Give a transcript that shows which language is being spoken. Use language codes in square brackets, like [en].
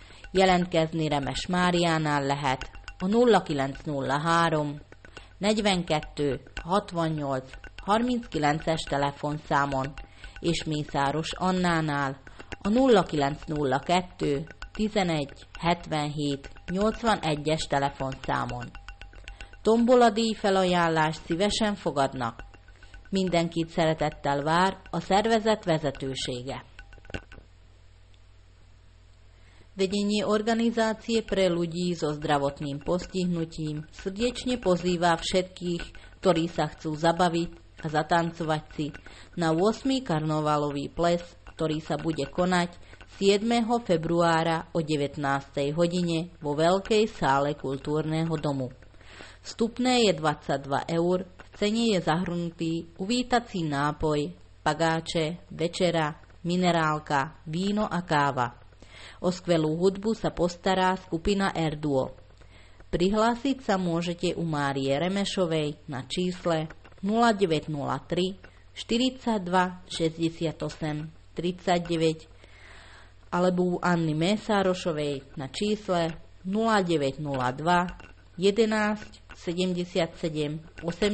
[hu] Jelentkezni Remes Máriánál lehet a 0903 42 68 39-es telefonszámon és Mészáros Annánál a 0902 11 77 81-es telefonszámon. Tombola díj felajánlást szívesen fogadnak. Mindenkit szeretettel vár a szervezet vezetősége. [sk] Vedenie organizácie pre ľudí so zdravotným postihnutím srdečne pozýva všetkých, ktorí sa chcú zabaviť a zatancovať si na 8. karnovalový ples, ktorý sa bude konať 7. februára o 19. hodine vo Veľkej sále Kultúrneho domu. Vstupné je 22 eur, v cene je zahrnutý uvítací nápoj, pagáče, večera, minerálka, víno a káva. O skvelú hudbu sa postará skupina Erduo. Prihlásiť sa môžete u Márie Remešovej na čísle 0903 42 68 39 alebo u Anny Mészárosovej na čísle 0902 11 77 81.